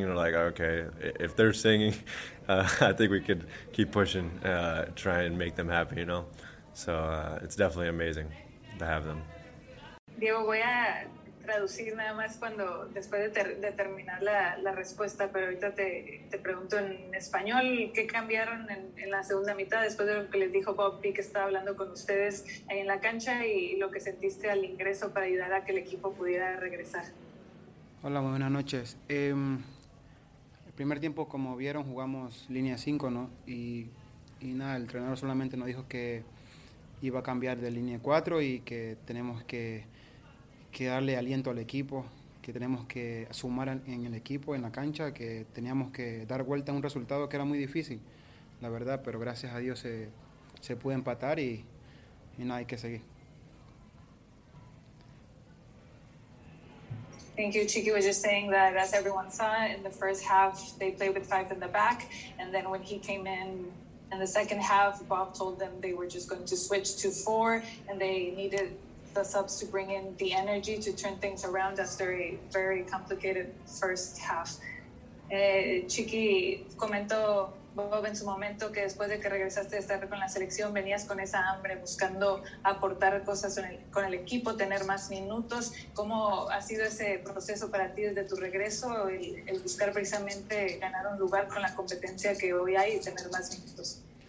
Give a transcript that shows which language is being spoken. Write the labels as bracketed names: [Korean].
[English] You're like, okay, if they're singing, I think we could keep pushing, try and make them happy, you know. So it's definitely amazing to have them. [Spanish] Diego, voy a traducir nada más cuando después de terminar la respuesta, pero ahorita te pregunto en español qué cambiaron en la segunda mitad después de lo que les dijo Bobby, que estaba hablando con ustedes ahí en la cancha, y lo que sentiste al ingreso para ayudar a que el equipo pudiera regresar. Hola, buenas noches. El primer tiempo, como vieron, jugamos línea 5, ¿no? Y nada, el entrenador solamente nos dijo que iba a cambiar de línea 4 y que tenemos que darle aliento al equipo, que tenemos que sumar en el equipo, en la cancha, que teníamos que dar vuelta a un resultado que era muy difícil, la verdad, pero gracias a Dios se pudo empatar y nada, hay que seguir. [English] Thank you. Chiqui was just saying that, as everyone saw in the first half, they played with 5 in the back, and then when he came in the second half, Bob told them they were just going to switch to 4, and they needed the subs to bring in the energy to turn things around after a very complicated first half. [Spanish] Chiqui comentó, Bob, en su momento, que después de que regresaste a estar con la selección, venías con esa hambre, buscando aportar cosas con el equipo, tener más minutos. ¿Cómo ha sido ese proceso para ti desde tu regreso, el buscar precisamente ganar un lugar con la competencia que hoy hay y tener más minutos?